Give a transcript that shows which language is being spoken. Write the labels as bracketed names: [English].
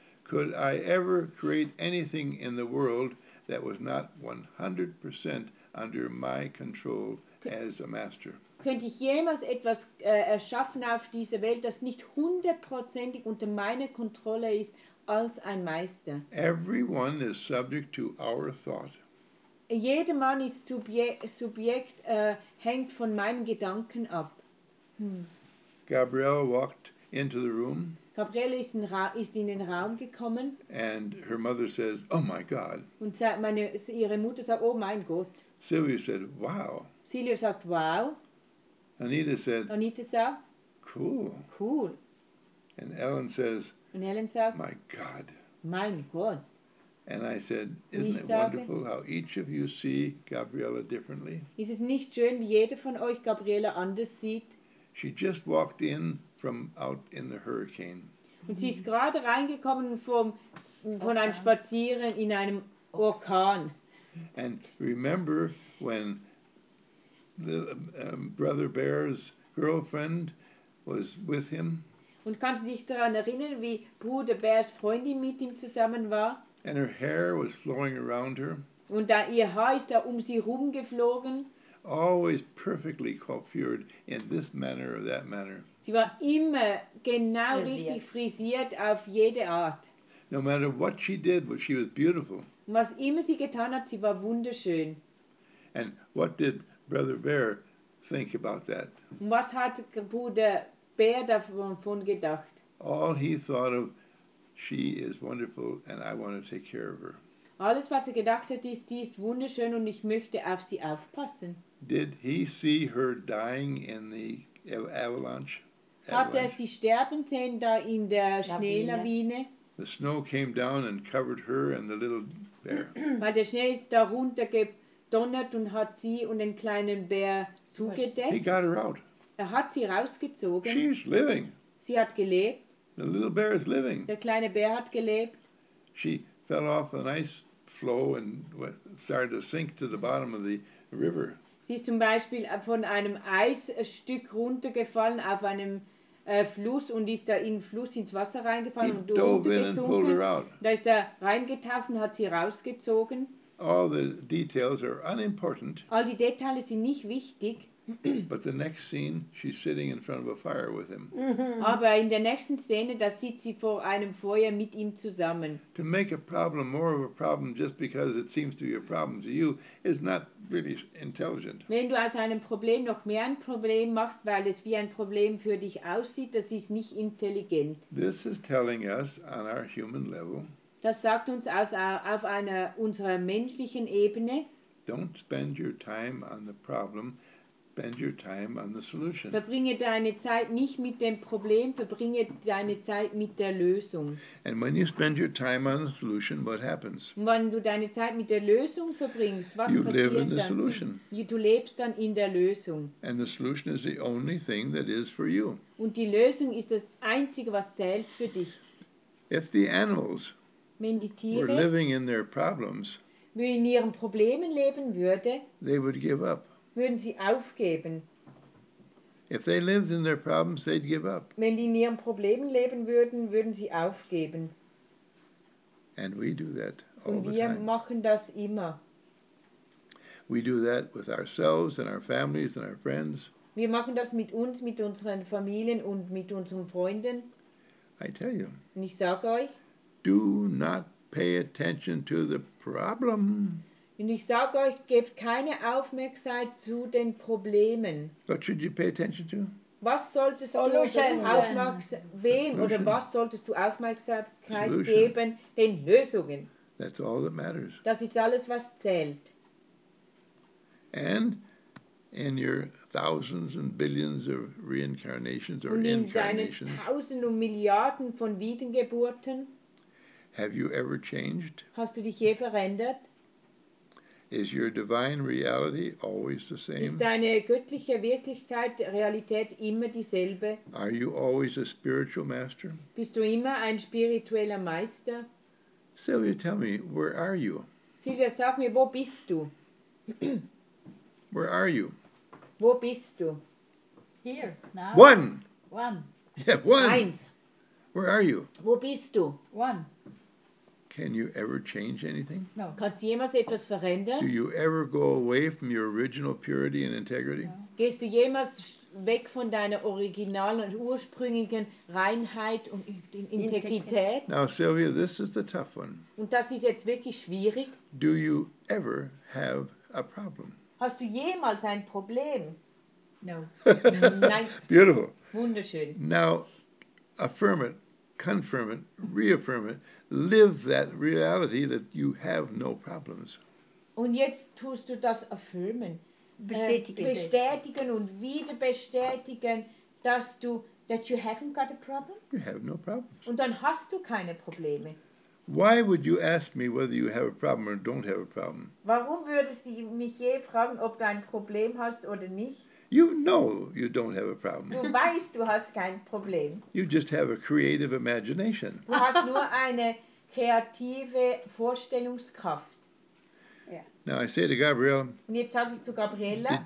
[English] Could I ever create anything in the world that was not 100% under my control as a master. [German] Könnte ich jemals etwas erschaffen auf dieser Welt, das nicht hundertprozentig unter meiner Kontrolle ist, als ein Meister? [English] Everyone is subject to our thought. [German] Jeder Mann ist Subjekt, hängt von meinen Gedanken ab. [English] Gabrielle walked into the room. [German] Gabrielle ist in den Raum gekommen. [English] And her mother says, oh my God. [German] Und ihre Mutter sagt, oh mein Gott. [English] Sylvia said, wow. [German] Sylvia sagt, wow. [English] Anita said, cool. [German] Cool. [English] And Ellen says, [German] und Ellen sagt, [English] my God. [German] Mein Gott. [English] And I said, isn't it wonderful how each of you see Gabriella differently? [German] Ist es nicht schön, wie jeder von euch Gabriella anders sieht? [English] She just walked in from out in the hurricane. [German] Und sie ist gerade reingekommen von einem Spazieren in einem Orkan. [English] And remember when the Brother Bear's girlfriend was with him? [German] Und kannst du dich daran erinnern, wie Bruder Bärs Freundin mit ihm zusammen war? [English] And her hair was flowing around her. [German] Und da ihr Haar ist da um sie rumgeflogen. [English] Always perfectly coiffured in this manner or that manner. [German] Sie war immer genau richtig frisiert auf jede Art. [English] No matter what she did, she was beautiful. [German] Und was immer sie getan hat, sie war wunderschön. [English] And what did Brother Bear think about that? [German] Und was hat Bruder Bär davon gedacht? [English] All he thought of, she is wonderful and I want to take care of her. [German] Alles, was er gedacht hat, ist, sie ist wunderschön und ich möchte auf sie aufpassen. [English] Did he see her dying in the avalanche? [German] Hat er sie sterben sehen da in der Schneelawine? [English] The snow came down and covered her and the little bear. [German] Weil der Schnee ist da runter gedonnert und hat sie und den kleinen Bär zugedeckt. [English] He got her out. [German] Er hat sie rausgezogen. [English] She's living. [German] Sie hat gelebt. [English] The little bear is living. [German] Der kleine Bär hat gelebt. [English] She fell off an ice floe and started to sink to the bottom of the river. [German] Sie ist zum Beispiel von einem Eisstück runtergefallen auf einem Fluss und ist da in den Fluss ins Wasser reingefallen und untergesunken. Da ist er reingetaucht und hat sie rausgezogen. [English] All the details are unimportant. [German] All die Details sind nicht wichtig. [English] But the next scene, she's sitting in front of a fire with him. [German] Aber in der nächsten Szene, da sitzt sie vor einem Feuer mit ihm zusammen. [English] To make a problem more of a problem just because it seems to be a problem to you is not really intelligent. [German] Wenn du aus einem Problem noch mehr ein Problem machst, weil es wie ein Problem für dich aussieht, das ist nicht intelligent. [English] This is telling us on our human level. [German] Das sagt uns auf einer unserer menschlichen Ebene. [English] Don't spend your time on the problem. Spend your time on the solution. [German] Verbringe deine Zeit nicht mit dem Problem, verbringe deine Zeit mit der Lösung. [English] And when you spend your time on the solution, what happens? [German] Und wenn du deine Zeit mit der Lösung verbringst, was [English] you [German] passiert [English] live in the [German] dann? [English] Solution. [German] Du lebst dann in der Lösung. [English] And the solution is the only thing that is for you. [German] Und die Lösung ist das Einzige, was zählt für dich. [English] If the animals were living in their problems, [German] wenn in ihren Problemen leben würde, [English] they would give up. [German] Würden sie aufgeben? [English] If they lived in their problems, they'd give up. [German] Wenn die in ihren Problemen leben würden, würden sie aufgeben. [English] And we do that all [German] und wir [English] the time. [German] Machen das immer. [English] We do that with ourselves and our families and our friends. [German] Wir machen das mit uns, mit unseren Familien und mit unseren Freunden. [English] I tell you. [German] Und ich sage euch. [English] Do not pay attention to the problem. [German] Und ich sage euch, gebt keine Aufmerksamkeit zu den Problemen. [English] What should you pay attention to? [German] Was solltest [English] Solution. [German] Du wem oder was solltest du Aufmerksamkeit Solution. Geben den Lösungen? [English] That's all that matters. [German] Das ist alles, was zählt. [English] And in your thousands and billions of reincarnations or [German] und in [English] incarnations, [German] deinen tausend und Milliarden von Wiedergeburten, [English] have you ever changed? [German] Hast du dich je verändert? [English] Is your divine reality always the same? [German] Ist deine göttliche Wirklichkeit, Realität immer dieselbe? [English] Are you always a spiritual master? [German] Bist du immer ein spiritueller Meister? [English] Sylvia, tell me, where are you? [German] Sylvia, sag mir, wo bist du? [English] Where are you? [German] Wo bist du? [English] Here, now. One. One. Yeah, one. [German] Eins. [English] Where are you? [German] Wo bist du? [English] One. Can you ever change anything? No. [German] Kannst du jemals etwas verändern? [English] Do you ever go away from your original purity and integrity? No. [German] Gehst du jemals weg von deiner originalen und ursprünglichen Reinheit und Integrität? [English] Now, Sylvia, this is the tough one. [German] Und das ist jetzt wirklich schwierig. [English] Do you ever have a problem? [German] Hast du jemals ein Problem? [English] No. [German] Nein. [English] Beautiful. [German] Wunderschön. [English] Now, affirm it, confirm it, reaffirm it, live that reality that you have no problems. [German] Und jetzt tust du das affirmen. Bestätigen und wieder bestätigen, dass du, [English] that you haven't got a problem. You have no problems. [German] Und dann hast du keine Probleme. [English] Why would you ask me whether you have a problem or don't have a problem? [German] Warum würdest du mich je fragen, ob du ein Problem hast oder nicht? [English] You know you don't have a problem. [German] Du weißt, du hast kein Problem. [English] You just have a creative imagination. [German] Du hast nur eine kreative Vorstellungskraft. [English] Now I say to Gabrielle, [German] und jetzt sage ich zu Gabriella,